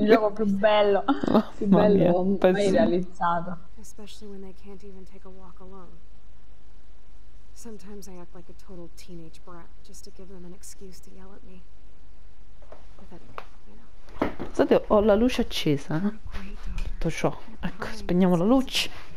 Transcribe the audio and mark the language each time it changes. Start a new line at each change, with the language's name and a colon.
Italian: Il gioco più bello, più bello mai realizzato.
English: Especially when they can't even take a walk alone. Sometimes I act like a total teenage brat just to give them an excuse to yell at me.
Italian: Scusate, ho la luce accesa. Tutto ciò. Ecco, spegniamo la luce.